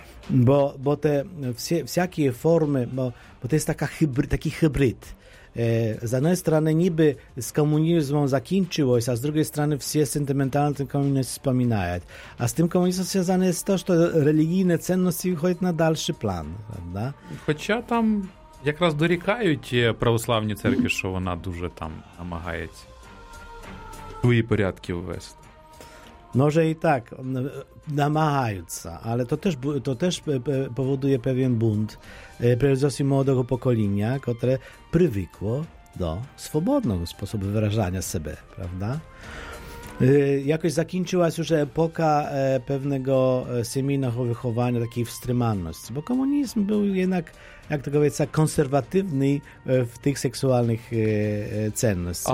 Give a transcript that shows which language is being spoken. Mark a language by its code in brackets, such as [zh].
[pl] Bo te wszelkie formy, bo to jest taki hybryd. Z jednej strony niby z komunizmem zakończyło się, a z drugiej strony wszystkie sentymentalne komunizmy wspominają. A z tym komunizmem związane jest to, że religijne cenności wychodzą na dalszy plan. Prawda? [uk] Хоча там якраз дорікають православні церкви, що вона дуже там намагається свої порядки ввести. [pl] Może i tak, namagająca, ale to też powoduje pewien bunt prezesów młodego pokolenia, które przywykło do swobodnego sposobu wyrażania siebie, prawda? Jakoś zakończyła się już epoka pewnego seminarnego wychowania, takiej wstrzymanności, bo komunizm był jednak, jak to powiedzieć, konserwatywny w tych seksualnych cennościach.